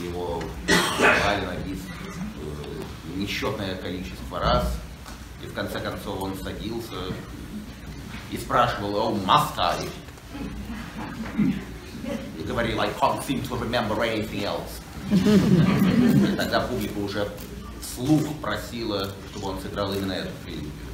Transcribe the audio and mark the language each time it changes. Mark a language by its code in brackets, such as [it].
[ru] Его играли на бис несчетное количество раз, и в конце концов он садился и спрашивал: «О, мастер!» И говорил: [en] «I can't seem to remember anything else». [ru] Тогда публика уже вслух просила, чтобы он сыграл именно эту прелюдию.